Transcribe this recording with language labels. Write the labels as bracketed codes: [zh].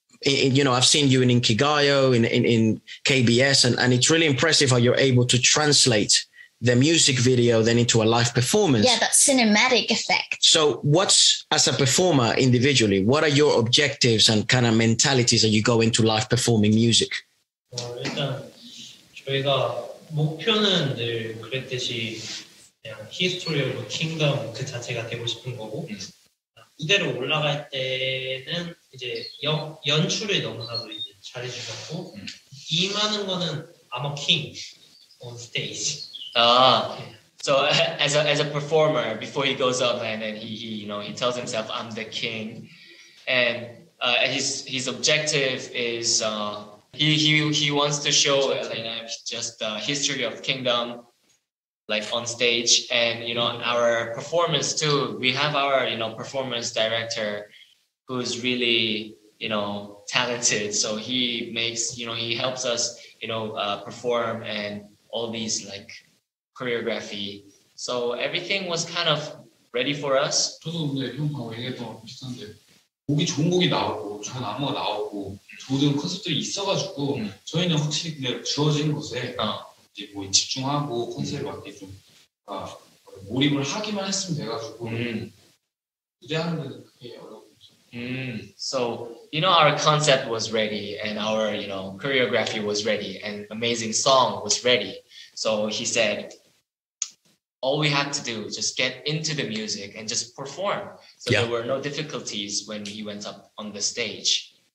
[en] You know, I've seen you in Inkigayo, in KBS, and it's really impressive how you're able to translate the music video then into a live performance. Yeah, that cinematic effect. So what's, as a performer individually, what are your objectives and kind of mentalities that you go into live performing music? Well, [ko] 일단 저희가 목표는 늘 그랬듯이 그냥 히스토리 오브 킹덤 그 자체가 되고 싶은 거고 무대로 올라갈 때는 이제 연출을 너무나도 이제 잘해주셨고 임하는 거는 [en] I'm a king on stage. So as a performer, before he goes up and then he you know he tells himself I'm the king, and his objective is he wants to show like just the history of kingdom, like on stage, and you know our performance too. We have our you know performance director, who's really you know talented. So he makes you know he helps us you know perform and all these like. Choreography. So everything was kind of ready for us. [ko] 저도 근데 형 방금 얘기했던 거랑 비슷한데 곡이 좋은 곡이 나오고 잘 나온 거 나오고 좋은 컨셉들이 있어가지고 저희는 확실히 근데 주어진 것에 이제 뭐 집중하고 컨셉에 맞게 좀 몰입을 하기만 했으면 돼가지고 무대하는 데는 그게 어렵죠. [en] So you know our concept was ready and our you know choreography was ready and amazing song was ready. So he said, all we had to do, just get into the music and just perform. So yeah. There were no difficulties when he went up on the stage.